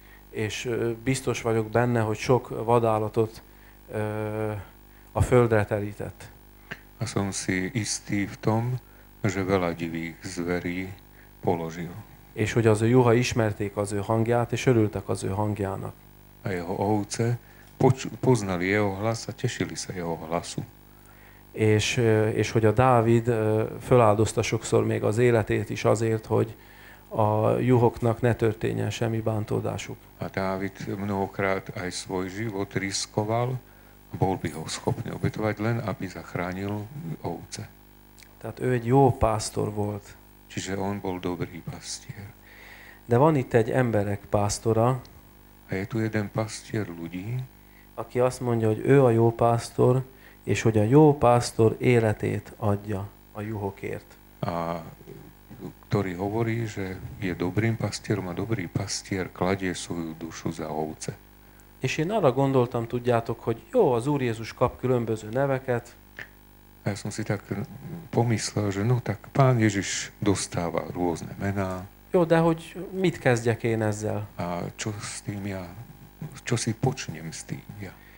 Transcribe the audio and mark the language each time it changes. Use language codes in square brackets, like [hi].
[hu] És biztos vagyok benne, hogy sok vadállatot a földre terített. [sk] A som si istý v tom, že veľa divých zverí položil. [hu] És hogy az ő juha ismerték az ő hangját, és örültek az ő hangjának. [sk] A jeho ovce poznali jeho hlas a tešili sa jeho hlasu. [hu] És hogy a Dávid föláldozta sokszor még az életét is azért, hogy a juhoknak ne történjen semmi bántódásuk. [sk] A Dávid mnohokrát aj svoj život riskoval, bol by ho schopný obetovať len, aby zachránil ovce. [hu] Tehát ő egy jó pásztor volt. [sk] Čiže on bol dobrý pastier. [hu] De van itt egy emberek pásztora. [sk] A je tu jeden pastier ľudí, [hu] aki azt mondja, hogy ő a jó pásztor, és hogy a jó pásztor életét adja a juhokért. [sk] A ktorý hovorí, že je dobrým pastierom a dobrý pastier kladie svoju dušu za ovce. [hu] És én arra gondoltam, tudjátok, hogy jó, az Úr Jézus kap különböző neveket. [sk] A ja som si tak pomyslel, že no tak Pán Ježiš dostáva rôzne mená. [hu] Jó, de hogy mit kezdjek én ezzel? [sk] A čo s tým ja, čo si počnem s tým ja?